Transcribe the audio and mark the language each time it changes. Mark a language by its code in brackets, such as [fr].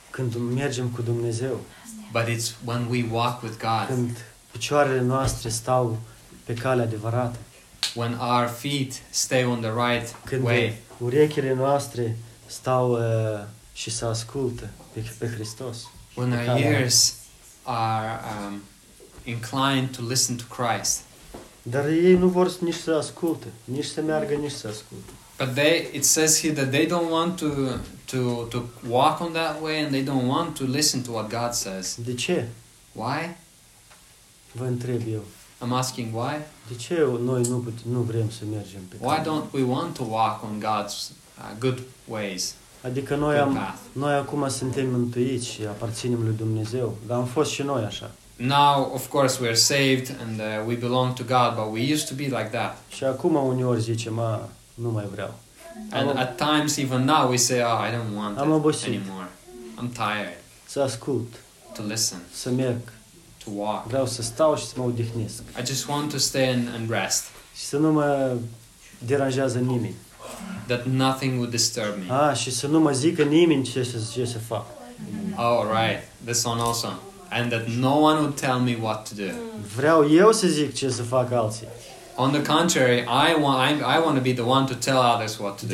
[ro] când mergem cu Dumnezeu. [en] But it's when we walk with God. [ro] Când picioarele noastre stau pe calea adevărată. [en] When our feet stay on the right [ro] când [en] way. [ro] Când urechile noastre stau și se ascultă pe Hristos. [en] When [ro] pe [en] our ears are inclined to listen to Christ. [ro] Dar ei nu vor nici să asculte, nici să meargă, nici să asculte. [en] But they, it says here that they don't want to walk on that way and they don't want to listen to what God says. [ro] De ce? [en] Why? [ro] Vă întreb eu. [en] I'm asking why? [ro] De ce noi nu vrem să mergem pe [en] why don't we want to walk on God's good ways? [ro] Adică noi am, noi acum suntem mântuiți și aparținem lui Dumnezeu, dar am fost și noi așa. [en] Now, of course, we are saved and we belong to God, but we used to be like that. [ro] Și acum uneori zicem, a, nu mai vreau. [en] And at times, even now, we say, oh, I don't want [ro] am [en] it [ro] obosit. [en] Anymore. I'm tired. [ro] Să ascult. [en] To listen. [ro] Să merg. [en] To walk. [ro] Vreau să stau și să mă odihnesc. [en] I just want to stay and rest. [ro] Și să nu mă deranjează nimeni. [en] That nothing would disturb me. [ro] Ah, și să nu mă zică nimeni ce să fac. [en] Oh, right. This one also. And that no one would tell me what to do. [ro] Vreau eu să zic ce să fac alții. [en] On the contrary, I want to be the one to tell others what to do.